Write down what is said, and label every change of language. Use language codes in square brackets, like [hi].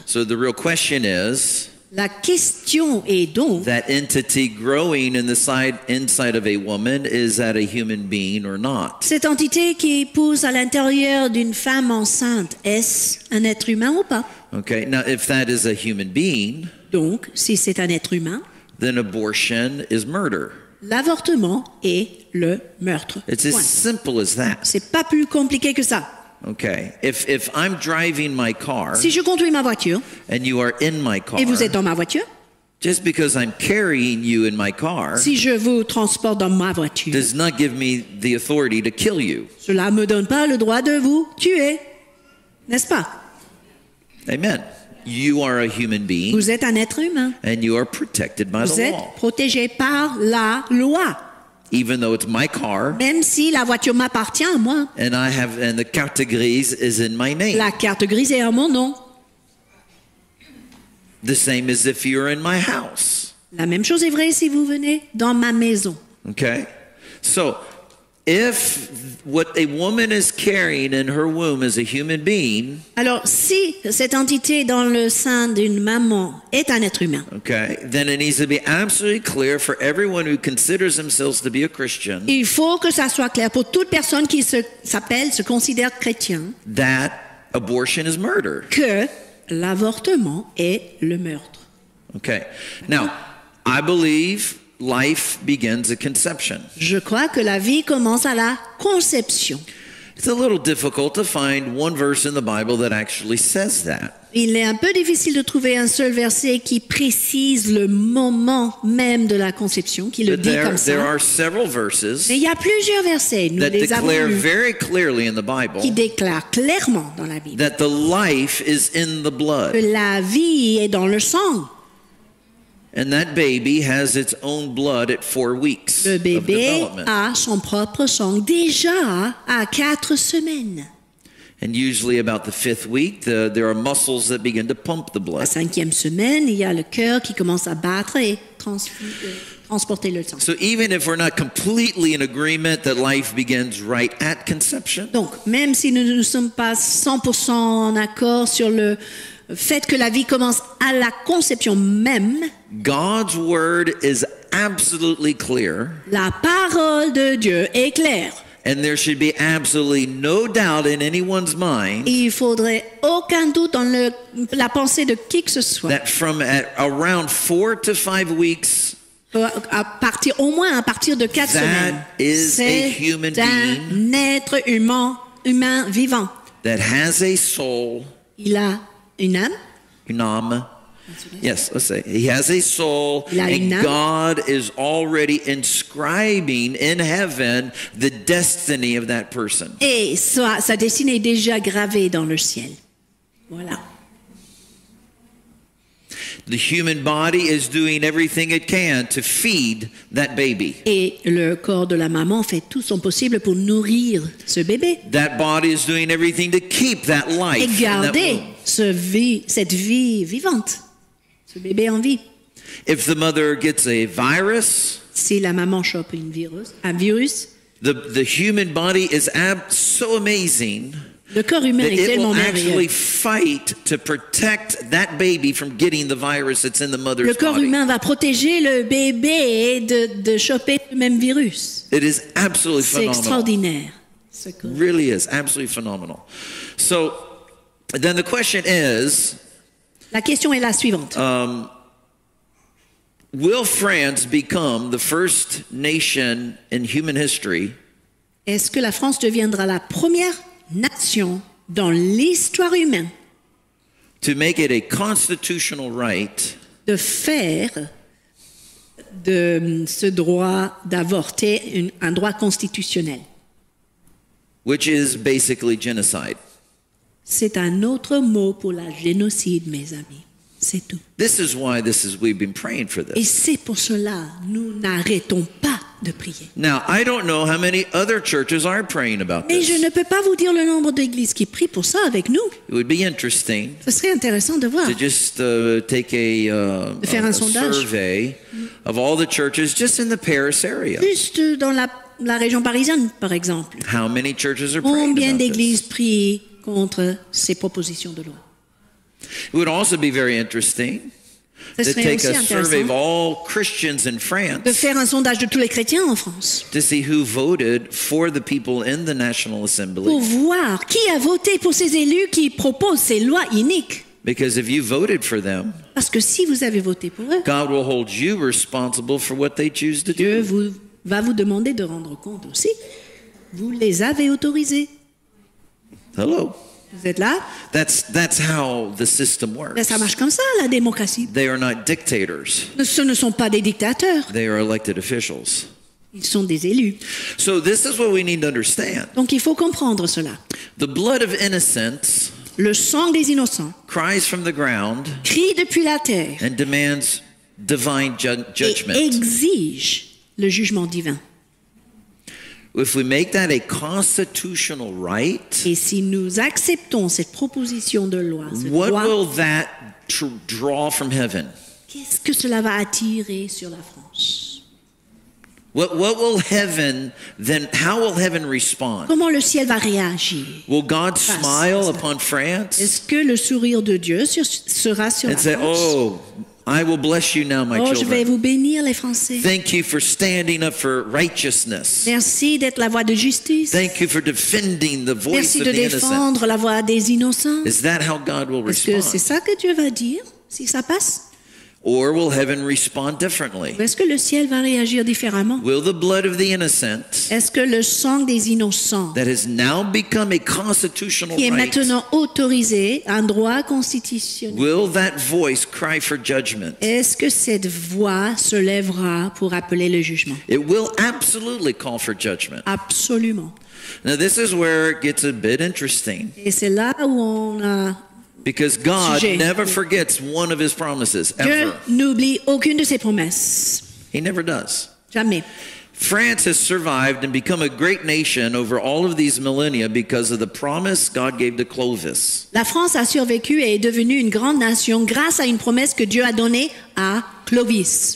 [en] So the real question is, [fr] la question est donc, [en] that entity growing in the inside of a woman, is that a human being or not? [fr] Cette entité qui pousse à l'intérieur d'une femme enceinte, est-ce un être humain ou pas? [en] Okay, now if that is a human being, [fr] donc si c'est un être humain, [en] then abortion is murder. [fr] L'avortement est le meurtre. [en] It's as simple as that. [fr] C'est pas plus compliqué que ça. [en] Okay. If I'm driving my car, [fr] si je conduis ma voiture, [en] and you are in my car, [fr] et vous êtes dans ma voiture, [en] just because I'm carrying you in my car, [fr] si je vous transporte dans ma voiture, [en] does not give me the authority to kill you. [fr] Cela me donne pas le droit de vous tuer, n'est-ce pas? [en] Amen. You are a human being. [fr] Vous êtes un être humain. [en] And you are protected by [fr] vous Vous êtes protégé par la loi. [en] Even though it's my car. [fr] Même si la voiture m'appartient à moi. [en] And the carte grise is in my name. [fr] La carte grise est à mon nom. [en] The same as if you're in my house. [fr] La même chose est vraie si vous venez dans ma maison. [en] Okay. So, if what a woman is carrying in her womb is a human being, [fr] alors si cette entité dans le sein d'une maman est un être humain, [en] okay, then it needs to be absolutely clear for everyone who considers themselves to be a Christian. [fr] Il faut que ça soit clair pour toute personne qui se considère chrétien. [en] That abortion is murder. [fr] Que l'avortement est le meurtre. [en] Okay. Now, I believe life begins at conception. [fr] Je crois que la vie commence à la conception. [en] It's a little difficult to find one verse in the Bible that actually says that. [fr] Il est un peu difficile de trouver un seul verset qui précise le moment même de la conception, qui le dit comme ça. [en] There are several verses. [fr] Mais il y a plusieurs versets, nous les avons lus, [en] very clearly in the Bible, [fr] qui déclarent clairement dans la Bible [en] that the life is in the blood. [fr] Que la vie est dans le sang. [en] And that baby has its own blood at 4 weeks [fr] le bébé [en] of development. [fr] A son propre sang déjà à 4 semaines. [en] And usually about the 5th week, there are muscles that begin to pump the blood. [fr] La cinquième semaine, il y a le cœur qui commence à battre et transporter le sang. [en] So even if we're not completely in agreement that life begins right at conception. [fr] Donc, même si nous ne sommes pas 100% en accord sur le fait que la vie commence à la conception même. [en] God's word is absolutely clear. [fr] La parole de Dieu est claire. [en] And there should be absolutely no doubt in anyone's mind. [fr] Il faudrait aucun doute dans la pensée de qui que ce soit. [en] That from at around 4 to 5 weeks. [fr] À partir de 4 semaines. [en] That is a human being. [fr] C'est un être humain vivant. [en] That has a soul. [fr] Il a une âme. Une âme. [en] Yes, let's say he has a soul, and God is already inscribing in heaven the destiny of that person. [fr] Et sa destinée est déjà gravée dans le ciel. Voilà. [en] The human body is doing everything it can to feed that baby. [fr] Et le corps de la maman fait tout son possible pour nourrir ce bébé. [en] That body is doing everything to keep that life. [fr] Et garder cette vie vivante. Ce bébé en vie. [en] If the mother gets a virus, [fr] si la maman chope un virus, [en] the human body is so amazing. [fr] Le corps humain est tellement merveilleux. [en] It will actually fight to protect that baby from getting the virus that's in the mother's body. [fr] Le corps [en] body. [fr] Humain va protéger le bébé de choper le même virus. [en] It is absolutely [fr] c'est [en] phenomenal. [fr] C'est extraordinaire. [en] Really is absolutely phenomenal. So then the question is. [fr] La question est la suivante. [en] Will France become the first nation in human history? [fr] Est-ce que la France deviendra la première nation dans l'histoire humaine? [en] To make it a constitutional right. [fr] De faire de ce droit d'avorter un droit constitutionnel. [en] Which is basically genocide. [fr] C'est un autre mot pour la génocide, mes amis. C'est tout. [en] This is why we've been praying for this. [fr] Et c'est pour cela que nous n'arrêtons pas de prier. [en] Now, I don't know how many other churches are praying about [fr] Mais [en] this. [fr] Je ne peux pas vous dire le nombre d'églises qui prient pour ça avec nous. [en] It would be interesting. [fr] Ce serait intéressant de voir. [en] To just take a [fr] sondage. [en] Survey of all the churches just in the Paris area. [fr] Juste dans la région parisienne, par exemple. [en] How many churches are [fr] Combien [en] praying about [fr] d'églises [en] this? [fr] Prient contre ces propositions de loi. [en] It would also be very interesting to take a survey of all Christians in France. [fr] De faire un sondage de tous les chrétiens en France. [en] To see who voted for the people in the National Assembly. [fr] Pour voir qui a voté pour ces élus qui proposent ces lois iniques. [en] Because if you voted for them, [fr] parce que si vous avez voté pour eux, [en] God will hold you responsible for what they choose to do. [fr] Dieu va vous demander de rendre compte aussi. Vous les avez autorisés. [en] Hello. [fr] Vous êtes là? [en] That's how the system works. [fr] Mais ça marche comme ça, la démocratie. [en] They are not dictators. [fr] Ce ne sont pas des dictateurs. [en] They are elected officials. [fr] Ils sont des élus. [en] So this is what we need to understand. [fr] Donc il faut comprendre cela. [en] The blood of innocents. [fr] Le sang des innocents. [en] Cries from the ground. [fr] Crie depuis la terre. [en] And demands divine judgment. [fr] Et exige le jugement divin. [en] If we make that a constitutional right, [fr] et si nous acceptons cette proposition de loi, [en] what [fr] droit, [en] will that draw from heaven? [fr] Qu'est-ce que cela va attirer sur la France? [en] What will heaven then? How will heaven respond? [fr] Comment le ciel va réagir? [en] Will God smile upon France? [fr] Est-ce que le sourire de Dieu sera sur [en] and [fr] la France? [en] Say, oh, I will bless you now, my children. [fr] Oh, je vais vous bénir, les Français. [en] Thank you for standing up for righteousness. [fr] Merci d'être la voix de justice. [en] Thank you for defending the voice [fr] Merci [en] of the innocent. [fr] Merci de défendre la voix des innocents. [en] Is that how God will [fr] Est-ce [en] respond? [fr] Est-ce que c'est ça que Dieu va dire si ça passe? [en] Or will heaven respond differently? [fr] Est-ce que le ciel va réagir différemment? [en] Will the blood of the innocent, [fr] est-ce que le sang des innocents, [en] that has now become a constitutional [fr] qui est maintenant [en] right, [fr] autorisé, un droit constitutionnel, [en] will that voice cry for judgment? [fr] Est-ce que cette voix se lèvera pour appeler le jugement? [en] It will absolutely call for judgment. [fr] Absolument. [en] Now this is where it gets a bit interesting. [fr] Et c'est là où on a [en] because God sujet. Never forgets one of his promises, ever. [fr] Dieu n'oublie aucune de ses promesses. [en] He never does. [fr] Jamais. [en] France has survived and become a great nation over all of these millennia because of the promise God gave to Clovis. [fr] La France a survécu et est devenue une grande nation grâce à une promesse que Dieu a donnée à Clovis.